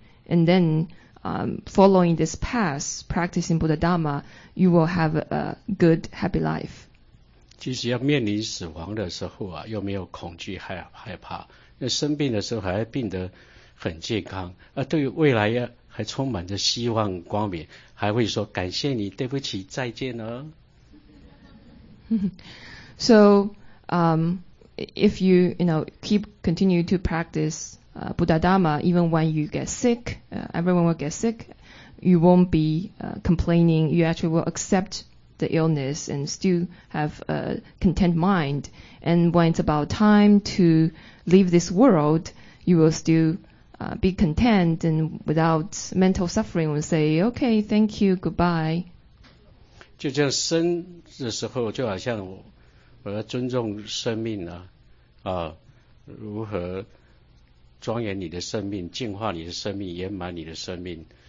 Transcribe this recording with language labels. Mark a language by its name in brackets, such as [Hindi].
[English] And then following this path, practicing Buddha Dharma, you will have a good, happy life. [Chinese] 其实要面临死亡的时候啊，又没有恐惧害怕，那生病的时候还病得很健康，而对于未来还充满着希望光明，还会说感谢你，对不起，再见了。 [English] So, if you continue to practice Buddha Dharma, even when you get sick, everyone will get sick, you won't be complaining. You actually will accept. The illness and still have a content mind. And when it's about time to leave this world, you will still be content and without mental suffering will say, okay, thank you, goodbye. [Chinese] 就这样生的时候就好像我要尊重生命如何庄严你的生命，净化你的生命，圆满你的生命。